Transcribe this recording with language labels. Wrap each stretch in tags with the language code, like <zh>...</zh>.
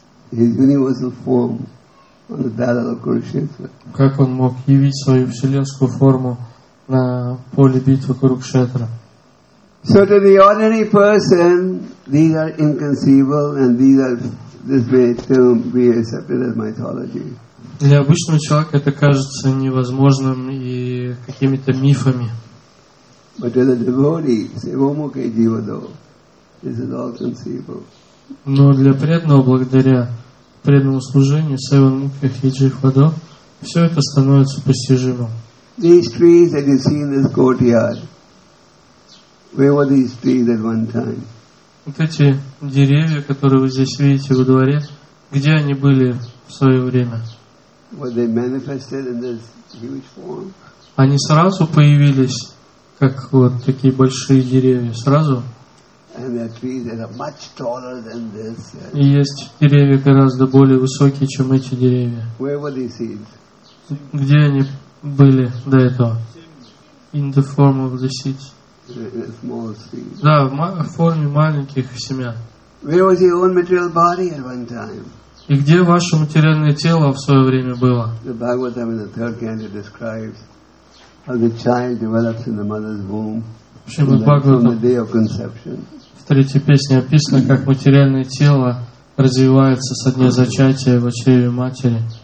<en>His universal form on the battle of Kurukshetra.</en> <ru>Как он мог явить свою вселенскую форму на поле битвы Курукшетра?</ru> <en>So to the ordinary person, these are inconceivable, and these may be accepted as mythology.</en> <ru>Для обычного человека это кажется невозможным и какими-то мифами.</ru> <en>But to the devotee, Sevamukhe Jivado, this is all conceivable.</en> <ru>Но для преданного, благодаря преданному служению, Севан Мукхи Хиджи Фадо, все это становится постижимым.</ru> <en>These trees that you see in this courtyard, where were these trees at one time?</en> <ru>Вот эти деревья, которые вы здесь видите во дворе, где они были в свое время?</ru> <en>Were they manifested in this huge form?</en> <ru>Они сразу появились, как вот такие большие деревья, сразу?</ru> <en>And there are trees that are much taller than this.</en> <ru>И есть деревья гораздо более высокие, чем эти деревья.</ru> <en>Where were these seeds?</en> <ru>Где они были до этого?</ru> <en>In the form of the seeds. Small seeds.</en> <ru>Да, в форме маленьких семян.</ru> <en>Where was your own material body at one time?</en> <ru>И где ваше материальное тело в свое время было?</ru> <en>The Bhagavatam in the third canto describes as the child develops in the mother's womb.</en> <ru>В третьей песне описано, как материальное тело развивается со дня зачатия в чреве матери.</ru>